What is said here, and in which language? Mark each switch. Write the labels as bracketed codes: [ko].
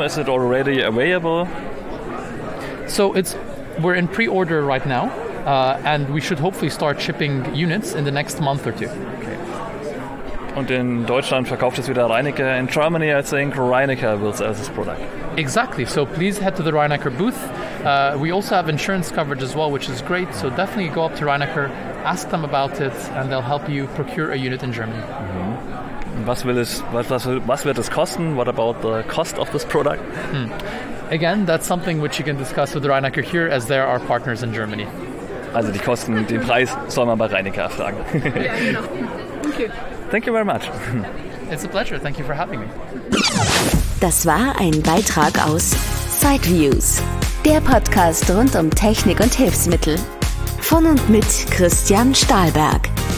[en] Is it already available? So it's we're in pre-order right now. And we should hopefully start shipping units in the next month or two. Okay. [de] Und in Deutschland verkauft es wieder Reinecker. [en] In Germany, I think Reinecker will sell this product. Exactly. So please head to the Reinecker booth. We also have insurance coverage as well, which is great. So definitely go up to Reinecker, ask them about it, and they'll help you procure a unit in Germany. Mm-hmm. [de] Was will es, was wird es kosten? [en] What about the cost of this product? Again, that's something which you can discuss with Reinecker here, as they're our partners in Germany. [de] Also die Kosten, den Preis soll man bei Reinecker fragen. [en] Thank you very much. It's a pleasure. Thank you for having me. [de] Das war ein Beitrag aus Sideviews, der Podcast rund um Technik und Hilfsmittel von und mit Christian Stahlberg.